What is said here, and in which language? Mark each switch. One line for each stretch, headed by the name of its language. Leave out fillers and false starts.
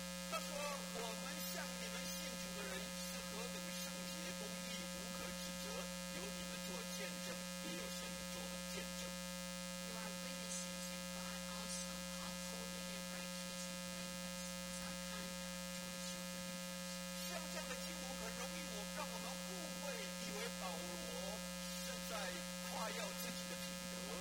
Chinese: 他说我们向你们信主的人是何等圣洁公义，无可指责，由你们做见证，也有神做了见证。
English: You are witnesses and God also, how holy and righteous and blameless is our conduct towards you believers。
Chinese: 像这样的经文很容易我让我们误会，以为保罗是在夸耀自己的品德。